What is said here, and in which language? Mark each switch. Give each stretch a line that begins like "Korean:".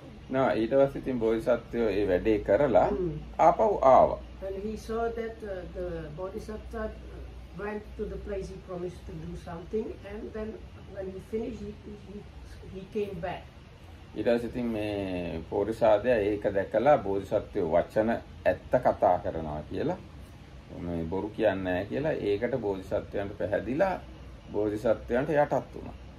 Sinhala: නෑ ඊට පස්සේ ඉතින් බෝධිසත්වයෝ ඒ වැඩේ කරලා ආපහු ආවා.
English: And he saw that the bodhisattva went to the place he promised to do something and then when he finished he came back.
Sinhala: ඊට පස්සේ ඉතින් මේ පොරිසාදයා ඒක දැකලා බෝධිසත්වයෝ වචන ඇත්ත කතා කරනවා කියලා මේ බොරු කියන්නේ නැහැ කියලා ඒකට බෝධිසත්වයන්ට පැහැදිලා බෝධිසත්වයන්ට යටත් වුණා.